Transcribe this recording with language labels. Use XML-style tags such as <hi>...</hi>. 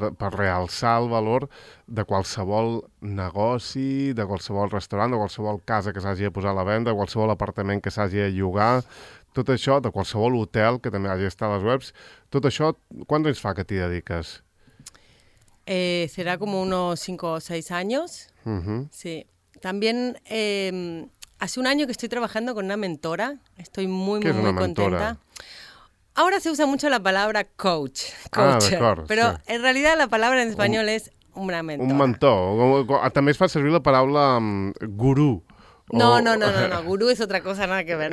<ca>Per realçar el valor de qualsevol negoci, de qualsevol restaurant, de qualsevol casa que s'hagi de posar a la venda, qualsevol apartament que s'hagi de llogar... Tot això, de qualsevol hotel que també hagi estat a les webs, tot això, quants anys fa que t'hi dediques?</ca> <es>Será como unos 5 o 6 años. Sí. También hace un año que estoy trabajando con una mentora. Estoy muy, muy, es muy contenta. Ahora se usa mucho la palabra coach. Coacher, pero sí. En realidad la palabra en español es una mentora. Un mentor.</es> <ca>També es fa servir la paraula gurú.</ca> <es>No, gurú es otra cosa, nada que ver.</es>